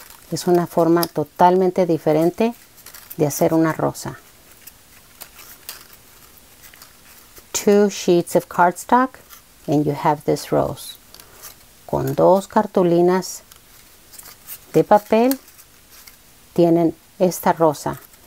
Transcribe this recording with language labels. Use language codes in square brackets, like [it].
[es] Es una forma totalmente diferente de hacer una rosa. [en] Two sheets of cardstock and you have this rose. [es] Con dos cartulinas de papel tienen esta rosa.